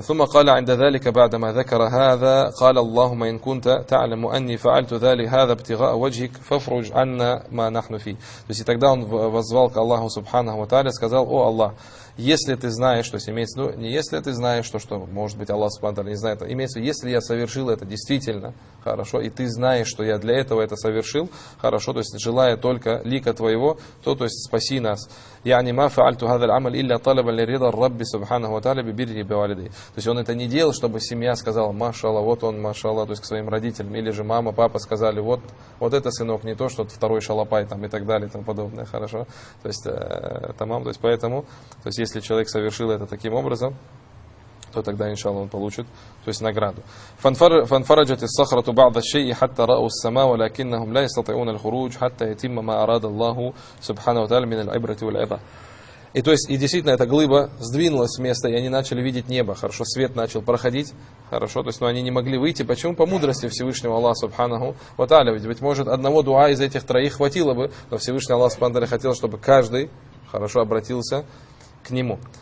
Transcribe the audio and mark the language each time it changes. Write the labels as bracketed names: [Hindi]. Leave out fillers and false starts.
[Arabic] ثُمَّ قَالَ عِنْدَ ذَلِكَ بَعْدَمَا ذَكَرَ هَذَا قَالَ اللَّهُمَّ إِنْ كُنْتَ تَعْلَمُ أَنِّي فَعَلْتُ ذَلِكَ هَذَا ابْتِغَاءَ وَجْهِكَ فَافْرُجْ عَنَّا مَا نَحْنُ فِيهِ. [Russian] То есть и тогда он воззвал к Аллаху Субханаху ва Тааля, сказал: «О Аллах, если ты знаешь, то есть имеется в виду, не если ты знаешь, что может быть Аллах Субхану Тааля не знает, а имеется в виду, если я совершил это действительно хорошо, и ты знаешь, что я для этого это совершил, хорошо, то есть желая только лика твоего, то есть спаси нас». [Arabic] يعني ما فعلت هذا العمل إلا طلبا لرضا الرب سبحانه وتعالى ببره بوالديه. [Russian] То есть он это не делал, чтобы семья сказала: машаллах, вот он, машаллах, то есть к своим родителям, или же мама, папа сказали: вот это сынок, не то, что второй шалопай там и так далее, там подобное, хорошо. То есть тамам, то есть поэтому, то есть если человек совершил это таким образом, то тогда, иншаллах, он получит, то есть, награду. [Arabic] فانفرجت الصخرة بعض الشيء حتى رأوا السماء ولكنهم لا يستطيعون الخروج حتى يتم ما أراد الله سبحانه وتعالى من العبرة والعظة. [Russian] И то есть, и действительно, эта глыба сдвинулась с места, и они начали видеть небо. Хорошо, свет начал проходить. Хорошо, то есть, но они не могли выйти. Почему? По мудрости Всевышнего Аллаха Субханаху ва Тааля. Ведь, быть может, одного дуа из этих троих хватило бы, но Всевышний Аллах Субханаху ва Тааля хотел, чтобы каждый, хорошо, обратился к нему.